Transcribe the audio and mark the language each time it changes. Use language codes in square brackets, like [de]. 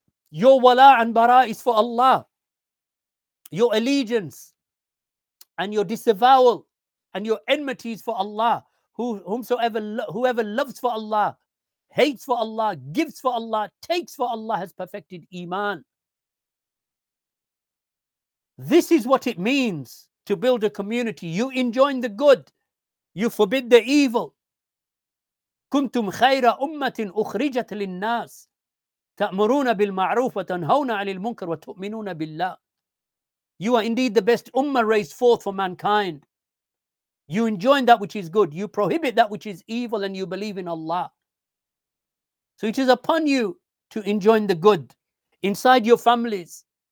[en] Your wala and bara is for Allah. Your allegiance and your disavowal and your enmity is for Allah. Whoever loves for Allah, hates for Allah, gives for Allah, takes for Allah has perfected iman. This is what it means to build a community. You enjoin the good, you forbid the evil. [ar] كنتم خير أمة أخرجت للناس تأمرون بالمعروف وتنهون عن المنكر وتؤمنون بالله. [en] You are indeed the best ummah raised forth for mankind. You enjoin that which is good, you prohibit that which is evil, and you believe in Allah. So it is upon you to enjoin the good inside your families.